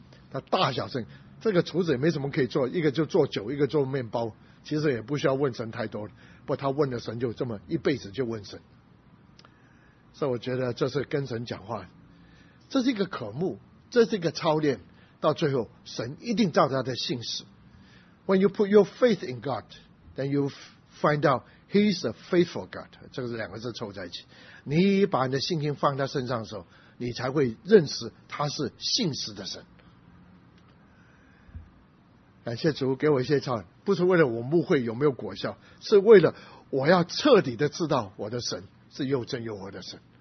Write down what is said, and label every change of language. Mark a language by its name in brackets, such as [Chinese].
[Chinese] 他大小声，这个厨子也没什么可以做，一个就做酒，一个做面包，其实也不需要问神太多了。不，他问了神就这么一辈子就问神。所以我觉得这是跟神讲话，这是一个渴慕，这是一个操练，到最后神一定照他的信使。 [English] When you put your faith in God, then you find out He's a faithful God. [Chinese] 这个是两个字凑在一起。你把你的信心放在他身上的时候，你才会认识他是信实的神。感谢主给我一些操练，不是为了我误会有没有果效，是为了我要彻底的知道我的神是又真又活的神。